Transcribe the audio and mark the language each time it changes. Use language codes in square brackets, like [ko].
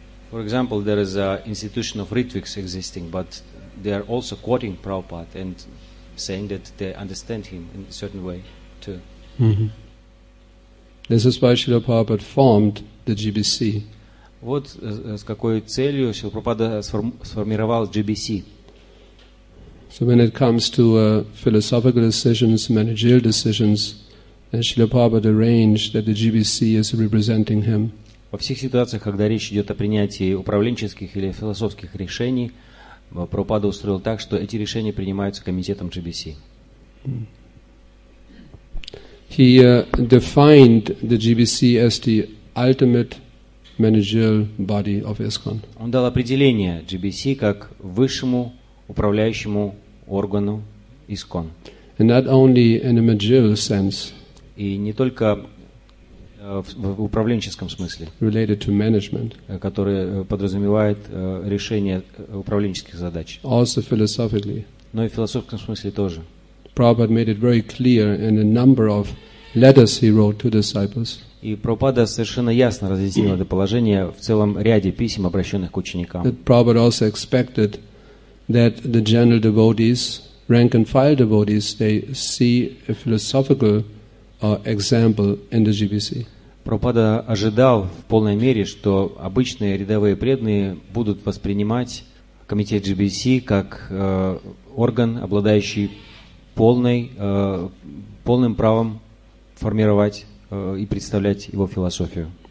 [en] For example, there is an institution of Ritviks existing, but they are also quoting Prabhupada and saying that they understand him in a certain way too. Mm-hmm. This is why Srila Prabhupada formed the GBC. [ru] Вот с какой целью Шрила Прабхупада сформировал GBC. [en] So when it comes to philosophical decisions, managerial decisions, then Srila Prabhupada arranged that the GBC is representing him. [ru] Во всех ситуациях, когда речь идет о принятии управленческих или философских решений, Прабхупада устроил так, что эти решения принимаются комитетом GBC. [en] He defined the GBC as the ultimate managerial body of ISKCON. [ru] Он дал определение GBC как высшему управляющему органу ISKCON. [en] And not only in a managerial sense. [ru] И не только в управленческом смысле, [en] related to management, [ru] который подразумевает решение управленческих задач. [en] Also philosophically. [ru] Но и в философском смысле тоже. [en] Prabhupada made it very clear in a number of letters he wrote to disciples. [ru] И Прабхупада совершенно ясно разъяснил это положение в целом ряде писем, обращенных к ученикам. [en] That Prabhupada also expected that the general devotees, rank and file devotees, they see a philosophical example in the GBC. [ru] Прабхупада ожидал в полной мере, что обычные рядовые преданные будут воспринимать комитет GBC как орган, обладающий полным правом формировать и представлять его философию.